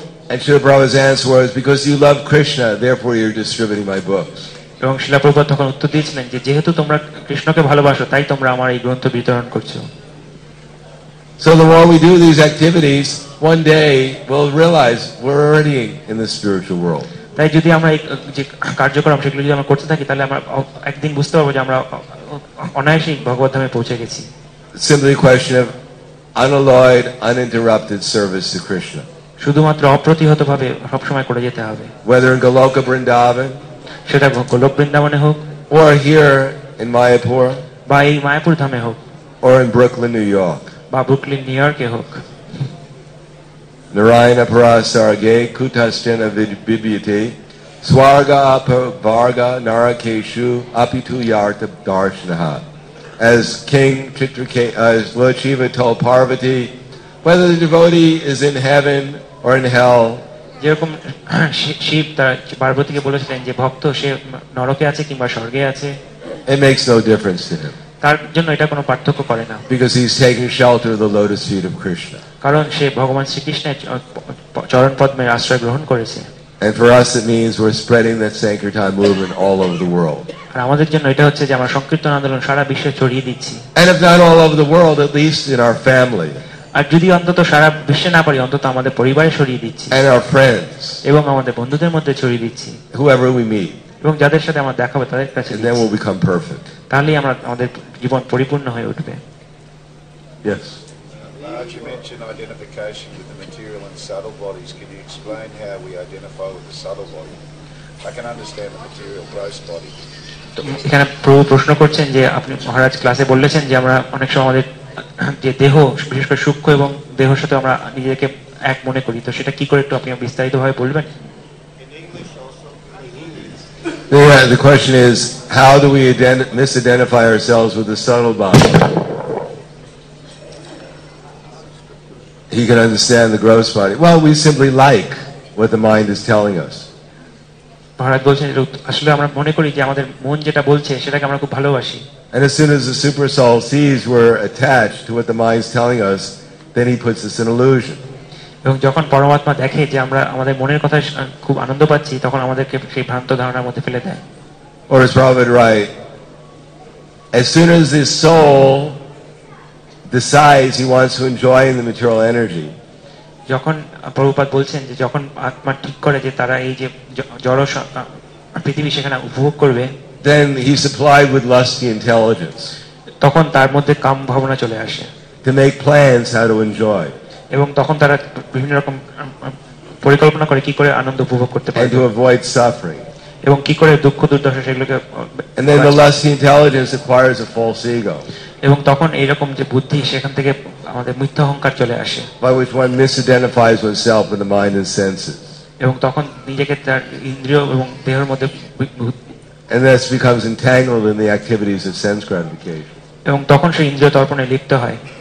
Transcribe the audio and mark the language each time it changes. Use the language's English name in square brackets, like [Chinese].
[English] And Srila Prabhupada's answer was, because you love Krishna, therefore you're distributing my books. [Bangla] এবং শ্রীলা প্রভুপাদ তখন উত্তর দিয়েছিলেন যে যেহেতু তোমরা কৃষ্ণকে ভালোবাসো তাই তোমরা আমার এই গ্রন্থ বিতরণ করছো [English] So the more we do these activities, one day we'll realize we're already in the spiritual world. [Bangla] তাই যদি আমরা যে কার্যক্রম সেগুলো যদি আমরা করতে থাকি তাহলে আমরা একদিন বুঝতে পারবো যে আমরা অনায়াসেই ভগবত ধামে পৌঁছে গেছি. [English] Simply a question of unalloyed, uninterrupted service to Krishna. [Bangla] শুধুমাত্র অপ্রতিহতভাবে সবসময় করে যেতে হবে, [English] whether in Goloka Vrindavan, [Bangla] সেটা গোলোক বৃন্দাবনে হোক, [English] or here in Mayapur, [Bangla] বা এই মায়াপুর ধামে হোক, [English] or in Brooklyn, New York, [Bangla] বা ব্রুকলিন নিউ ইয়র্কে হোক. [Sanskrit] Narayana Parasarge Kutasthena Vibhyate Swarga Aparvarga Narakeshu Apitu Yartha Darshanaha. [English] As King as Lord Shiva told Parvati, whether the devotee is in heaven or in hell, [Bangla] যেরকম শিব তার পার্বতীকে বলেছিলেন যে ভক্ত সে নরকে আছে কিংবা স্বর্গে আছে, [English] it makes no difference to him. [Bangla] তার জন্য এটা কোনো পার্থক্য করে না. [English] Because he's taking shelter of the lotus feet of Krishna. [Bangla] কারণ সে ভগবান শ্রীকৃষ্ণের চরণ পদ্মের আশ্রয় গ্রহণ করেছে. [English] And for us it means we're spreading that Sankirtan movement all over the world. [Bangla] আমাদের জন্য এটা হচ্ছে যে আমরা সংকীর্তন আন্দোলন সারা বিশ্বে ছড়িয়ে দিচ্ছি. [English] And if not all over the world, at least in our family. [Bangla] আর যদি অন্তত সারা বিশ্বে না পারি, অন্তত আমাদের পরিবারে ছড়িয়ে দিচ্ছি. [English] And our friends. [Bangla] এবং আমাদের বন্ধুদের মধ্যে ছড়িয়ে দিচ্ছি. [English] Whoever we meet. [Bangla] এবং যাদের সাথে আমরা দেখা হবে তাদের কাছে. [English] Then we'll become perfect. [Bangla] তাহলেই আমরা আমাদের জীবন পরিপূর্ণ হয়ে উঠবে. [English] Yes. As you mentioned identification with the material and subtle bodies, can you explain how we identify with the subtle body? I can understand the material gross body. [Bangla] এখানে প্রভু প্রশ্ন করছেন যে আপনি মহারাজ ক্লাসে বললেছেন যে আমরা অনেক সময় আমাদের যে দেহ বিশেষ করে সূক্ষ্ম এবং দেহের সাথে আমরা নিজেকে এক মনে করি, তো সেটা কি করে একটু আপনি বিস্তারিত ভাবে বলবেন? [English] The question is, how do we misidentify ourselves with the subtle body? He can understand the gross body. Well, we simply like what the mind is telling us. [Bangla] Bharat বলছেন যে আসলে আমরা মনে করি যে আমাদের মন যেটা বলছে সেটাকে আমরা খুব ভালোবাসি. [English] And as soon as the super soul sees we're attached to what the mind is telling us, then he puts us in illusion. [Bangla] এবং যখন পরমাত্মা দেখে যে আমরা আমাদের মনের কথা খুব আনন্দ পাচ্ছি, তখন আমাদেরকে সেই ভ্রান্ত ধারণার মধ্যে ফেলে দেয়. [English] Or as Prabhupada write, as soon as this soul decides he wants to enjoy the material energy, [Bangla] যখন প্রভুপাদ বলছেন যে যখন আত্মা ঠিক করে যে তারা এই যে জড় পৃথিবী সেখানে উপভোগ করবে, [English] then he supplied with lusty intelligence, [Bangla] তখন তার মধ্যে কাম ভাবনা চলে আসে, [English] to make plans how to enjoy, [Bangla] এবং তখন তারা বিভিন্ন রকম পরিকল্পনা করে কি করে আনন্দ উপভোগ করতে পারে, [English] to avoid suffering, [Bangla] এবং কি করে দুঃখ দুর্দশা সেগুলোকে, [English] and then the lusty intelligence acquires a false ego, [Bangla] এবং তখন এরকম যে বুদ্ধি সেখান থেকে আমাদের মিথ্যা অহংকার চলে আসে, [English] by which one misidentifies oneself with the mind and senses, [Bangla] এবং তখন নিজেকে তার ইন্দ্রিয় এবং দেহের মধ্যে, [English] and this becomes entangled in the activities of sense gratification, [Bangla] এবং তখন সেই ইন্দ্রিয় তর্পণে লিপ্ত হয়.